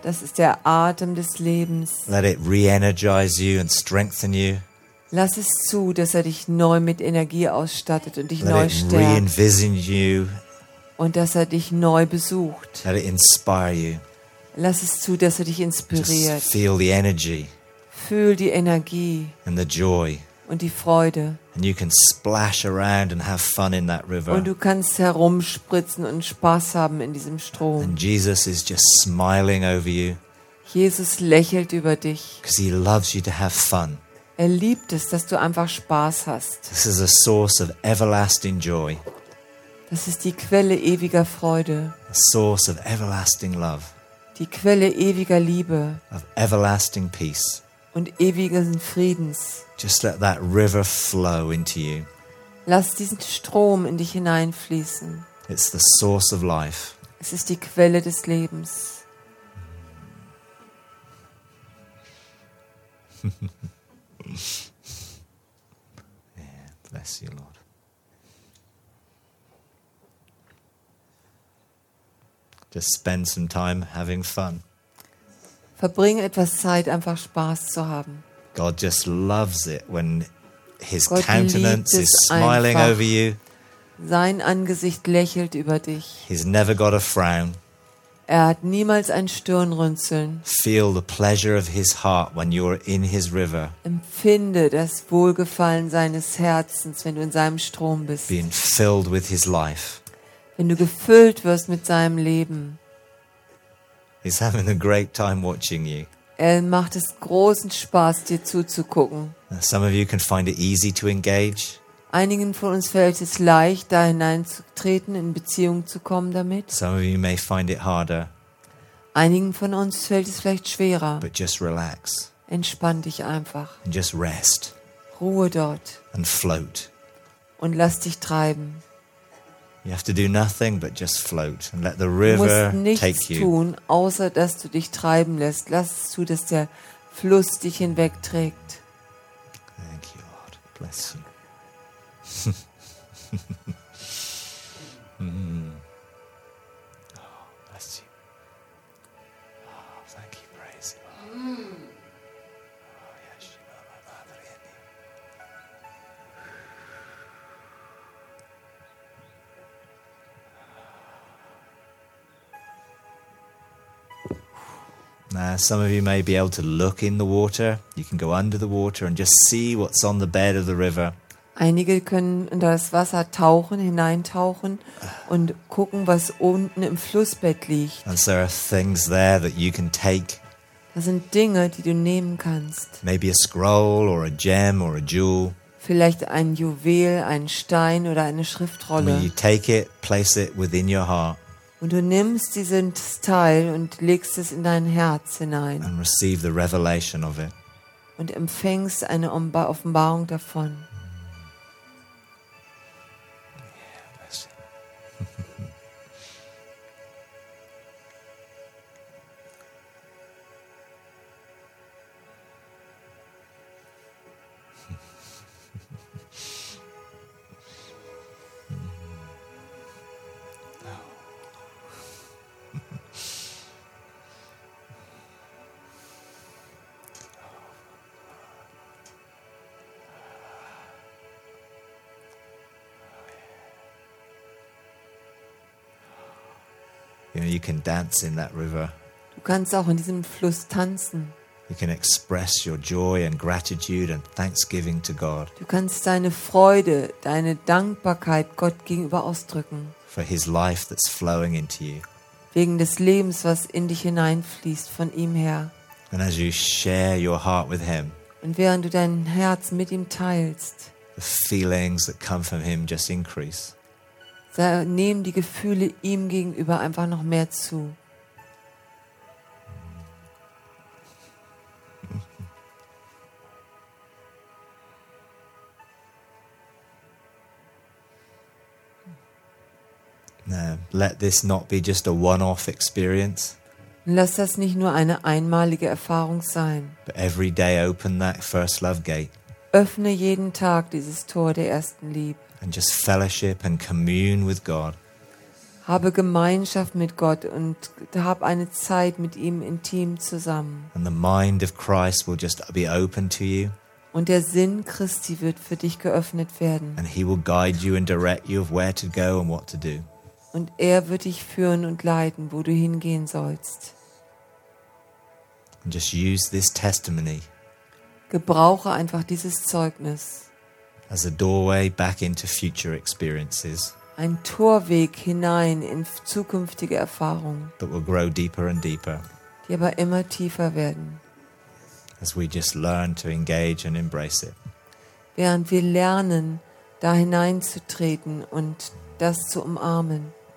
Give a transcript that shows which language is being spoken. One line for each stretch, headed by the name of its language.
German: Das ist der Atem des Lebens.
English: Let it re-energize you and strengthen you.
German: Lass es zu, dass er dich neu mit Energie ausstattet und dich neu stärkt.
English: Let it re-envision you.
German: Und dass er dich neu besucht.
English: Let it inspire you.
German: Lass es zu, dass er dich inspiriert.
English: Just feel the energy.
German: Fühl die Energie.
English: And the joy.
German: Und die Freude.
English: And you can splash around and have fun in that river.
German: Und du kannst herumspritzen und Spaß haben in diesem Strom.
English: And Jesus is just smiling over you.
German: Jesus lächelt über dich.
English: Because he loves you to have fun.
German: Er liebt es, dass du einfach Spaß hast.
English: This is a source of everlasting joy.
German: Das ist die Quelle ewiger Freude.
English: A source of everlasting love.
German: Die Quelle ewiger Liebe.
English: Of everlasting peace.
German: Und ewigen Friedens.
English: Just let that river flow into you.
German: Lass diesen Strom in dich hineinfließen.
English: It's the source of life.
German: Es ist die Quelle des Lebens.
English: Yeah, bless you, Lord. Just spend some time having fun.
German: Verbring etwas Zeit, einfach Spaß zu haben.
English: God just loves it when His countenance is smiling over you.
German: Sein Angesicht lächelt über dich.
English: He's never got a frown.
German: Er hat niemals ein Stirnrunzeln.
English: Feel the pleasure of his heart when you're in his river.
German: Empfinde das Wohlgefallen seines Herzens, wenn du in seinem Strom bist.
English: Being filled with his life.
German: Wenn du gefüllt wirst mit seinem Leben.
English: He's having a great time watching you.
German: Er macht es großen Spaß, dir zuzugucken.
English: Some of you can find it easy to engage.
German: Einigen von uns fällt es leicht, da hineinzutreten, in Beziehung zu kommen damit.
English: Some of you may find it harder.
German: Einigen von uns fällt es vielleicht schwerer.
English: But just relax.
German: Entspann dich einfach.
English: And just rest.
German: Ruhe dort.
English: And float.
German: Und lass dich treiben.
English: You have to do nothing but just float and let the river take you.
German: Du musst nichts tun, außer dass du dich treiben lässt. Lass zu, dass der Fluss dich hinwegträgt.
English: Thank you, Lord. Bless you. Oh, bless you. Oh, thank you, praise you. Some of you may be able to look in the water. You can go under the water and just see what's on the bed of the river.
German: Einige können in das Wasser tauchen, hineintauchen und gucken, was unten im Flussbett liegt.
English: And there are things there that you can take.
German: Da sind Dinge, die du nehmen kannst.
English: Maybe a scroll or a gem or a jewel.
German: Vielleicht ein Juwel, ein Stein oder eine Schriftrolle.
English: When you take it, place it within your heart.
German: Und du nimmst diesen Teil und legst es in dein Herz hinein.
English: And receive the revelation of it.
German: Und empfängst eine Offenbarung davon.
English: You can dance in that river.
German: Du kannst auch in diesem Fluss tanzen.
English: You can express your joy and gratitude and thanksgiving to God.
German: Du kannst deine Freude, deine Dankbarkeit Gott gegenüber ausdrücken.
English: For his life that's flowing into you.
German: Wegen des Lebens, was in dich hineinfließt von ihm her.
English: And as you share your heart with him.
German: Und während du dein Herz mit ihm teilst.
English: The feelings that come from him just increase.
German: Da nehmen die Gefühle ihm gegenüber einfach noch mehr zu.
English: Let this not be just a one-off experience.
German: Lass das nicht nur eine einmalige Erfahrung sein.
English: But every day open that first love gate.
German: Öffne jeden Tag dieses Tor der ersten Liebe.
English: And just fellowship and commune with God.
German: Habe Gemeinschaft mit Gott und hab eine Zeit mit ihm intim zusammen.
English: And the mind of Christ will just be open to you.
German: Und der Sinn Christi wird für dich geöffnet werden.
English: And he will guide you and direct you of where to go and what to do.
German: Und er wird dich führen und leiten, wo du hingehen sollst.
English: And just use this testimony.
German: Gebrauche einfach dieses Zeugnis.
English: As a doorway back into future experiences.
German: Ein Torweg hinein in zukünftige Erfahrungen.
English: That will grow deeper and deeper.
German: Die aber immer tiefer werden.
English: as we just learn to engage and embrace it.
German: Während wir lernen, da hineinzutreten und das zu umarmen.